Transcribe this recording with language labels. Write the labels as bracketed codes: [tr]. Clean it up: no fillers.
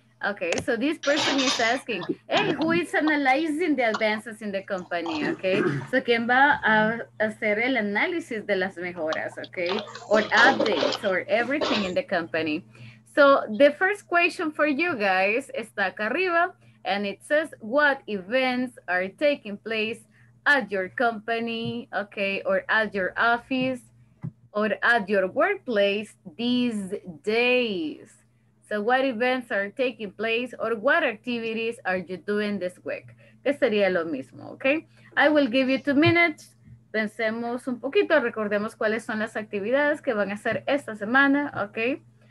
[en] Okay, so this person is asking, hey, who is analyzing the advances in the company, okay? [es] So, ¿quién va a hacer el análisis de las mejoras, okay? [en] Or updates, or everything in the company. So, the first question for you guys [es] está acá arriba, [en] and it says, what events are taking place at your company, okay, or at your office, or at your workplace these days? So what events are taking place or what activities are you doing this week? [es] Que sería lo mismo, [en] okay? I will give you 2 minutes. [es] Pensemos un poquito, recordemos cuáles son las actividades que van a hacer esta semana, okay?